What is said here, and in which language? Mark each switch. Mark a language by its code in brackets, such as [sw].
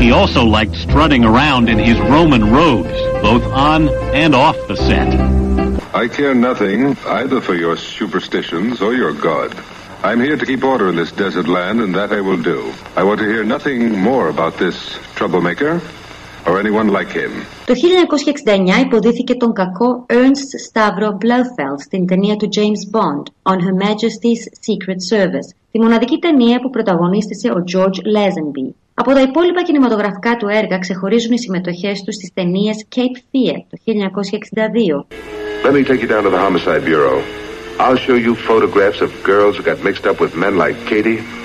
[en] He also liked strutting around in his Roman robes, both on and off the set. I care nothing either for your superstitions or your God. I'm here to keep order in this desert land, and that I will do. I want to hear nothing more about this troublemaker or anyone like him. [el] Το 1969 υποδίθηκε τον κακό Ernst Stavro Blofeld στην ταινία του James Bond, On Her Majesty's Secret Service, τη μοναδική ταινία που πρωταγωνίστησε ο George Lazenby. Από τα υπόλοιπα κινηματογραφικά του έργα ξεχωρίζουν οι συμμετοχές του στις ταινίες Cape Fear το 1962. [en] Let me take you down to the Homicide Bureau. I'll show you photographs of girls who got mixed up with men like Katie.